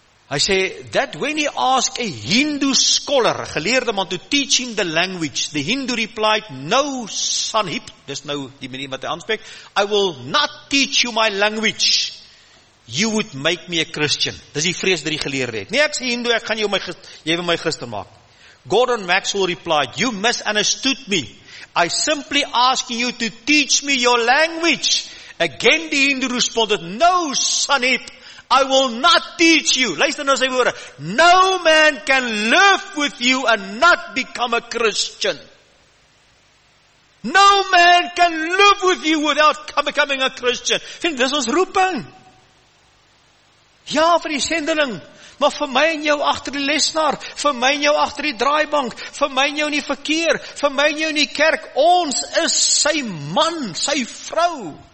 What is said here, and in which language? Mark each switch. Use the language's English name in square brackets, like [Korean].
[English] Hy sê, that when he asked a Hindu scholar, [Afrikaans] geleerde man, [English] to teach him the language, the Hindu replied, no, Sanhip, [Afrikaans] dis nou die manier wat hy aanspreek, [English] I will not teach you my language, you would make me a Christian. [Afrikaans] Dis die vrees dat hy geleerde het. Nee, ek sê Hindu, ek gaan jou my, jy wil my Christen maak. [English] Gordon Maxwell replied, you misunderstood me, I simply asking you to teach me your language. Again, the Hindu responded, no, Sanhip, I will not teach you. [Afrikaans] Luister nou sy woorde. [English] No man can live with you and not become a Christian. No man can live with you without becoming a Christian. [Afrikaans] Vind, dis ons roeping. Ja, vir die sendeling, maar vir my en jou achter die lesenaar, vir my en jou achter die draaibank, vir my en jou in die verkeer, vir my en jou in die kerk, ons is sy man, sy vrou.